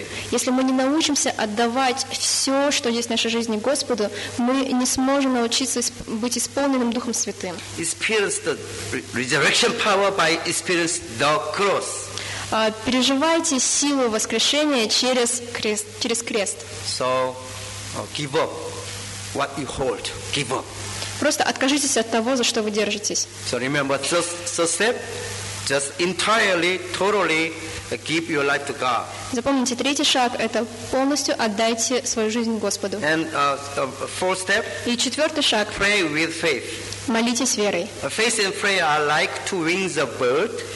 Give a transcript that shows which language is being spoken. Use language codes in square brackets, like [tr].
[ru] если мы не научимся отдавать все, что есть в нашей жизни Господу, мы не сможем научиться быть исполненным Духом Святым. [en] Experience the resurrection power by experience the cross. [ru] Переживайте силу воскрешения через крест. Через крест. [en] So, give up what you hold. Give up. [ru] Просто откажитесь от того, за что вы держитесь. [en] So remember, first step, just entirely, totally give your life to God. [ru] Запомните, третий шаг – это полностью отдайте свою жизнь Господу. [en] And fourth step. [ru] И четвертый шаг. [en] Pray with faith. [ru] Молитесь верой. [en] Faith and prayer are like two wings of bird.